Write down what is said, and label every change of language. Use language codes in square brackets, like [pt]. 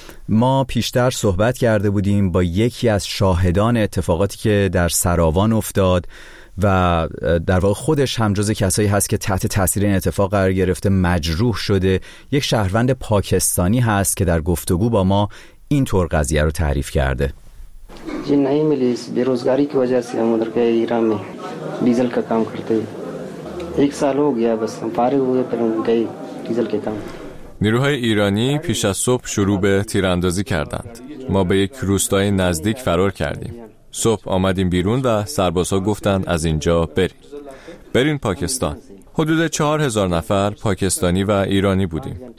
[fa] ما پیشتر صحبت کرده بودیم با یکی از شاهدان اتفاقاتی که در سراوان افتاد و در واقع خودش هم جز کسایی هست که تحت تاثیر این اتفاق قرار گرفته، مجروح شده. یک شهروند پاکستانی هست که در گفتگو با ما این طور قضیه رو تعریف کرده. [ur] جی نہیں ملی اس بے روزگاری کی وجہ سے ہم ادھر کے ایران میں ڈیزل کا کام کرتے ہیں. ایک سال ہو گیا بس ہم فارغ ہوئے پھر ہم گئے ڈیزل کے کام. [fa] نیروهای ایرانی پیش از صبح شروع به تیراندازی کردند. ما به یک روستای نزدیک فرار کردیم. صبح آمدیم بیرون و سربازها گفتند از اینجا برید. برین پاکستان. حدود 4000 نفر پاکستانی و ایرانی بودیم.